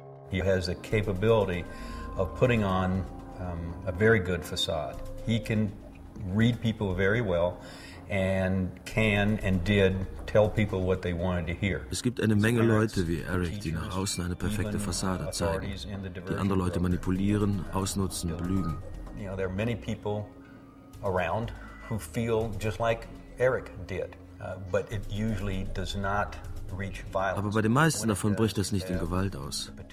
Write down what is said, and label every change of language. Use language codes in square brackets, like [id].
[en] He has the capability of putting on a very good facade. He can read people very well, and can and did tell people what they wanted to hear. [de] Es gibt eine Menge Leute wie Eric, die nach außen eine perfekte Fassade zeigen, die andere Leute manipulieren, ausnutzen, belügen. [en] You know, there are many people around who feel just like Eric did, but it usually does not. [de] Aber bei den meisten davon bricht das nicht in Gewalt aus.